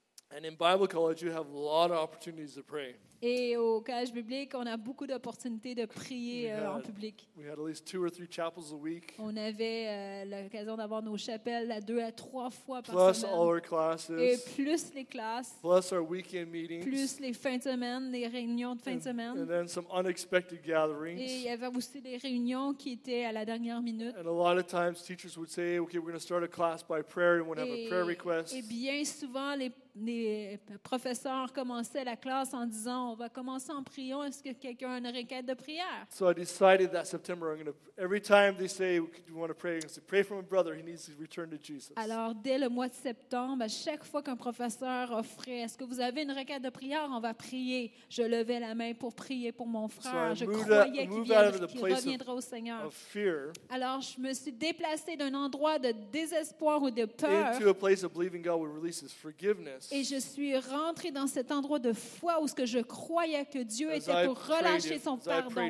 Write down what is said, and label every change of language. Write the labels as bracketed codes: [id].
[en] And in Bible college, you have a lot of opportunities to pray. [fr] Et au collège biblique, on a beaucoup d'opportunités de prier en public. [en] We had at least two or three chapels a week. [fr] On avait l'occasion d'avoir nos chapelles à deux à trois fois par plus semaine. [en] Plus all our classes. [fr] Et plus les classes. [en] Plus our weekend meetings. [fr] Plus les fins de semaine, les réunions de fin de semaine. [en] And then some unexpected gatherings. [fr] Et il y avait aussi des réunions qui étaient à la dernière minute. [en] And a lot of times, teachers would say, "Okay, we're going to start a class by prayer, and we'll have a prayer request." [fr] Et bien souvent, les professeurs commençaient la classe en disant, on va commencer en priant. Est-ce que quelqu'un a une requête de prière? [en] So I decided that September I'm going to, every time they say you want to pray, I'm going to pray for my brother. He needs to return to Jesus. [fr] Alors dès le mois de septembre, à chaque fois qu'un professeur offrait, est-ce que vous avez une requête de prière? On va prier. Je levais la main pour prier pour mon frère. [en] So [fr] je croyais qu'il reviendrait au Seigneur. [en] Of fear, [fr] alors je me suis déplacée d'un endroit de désespoir ou de peur. [en] Into a place of believing God would release His forgiveness. [fr] Et je suis rentrée dans cet endroit de foi où ce que je croyais que Dieu était pour relâcher son pardon.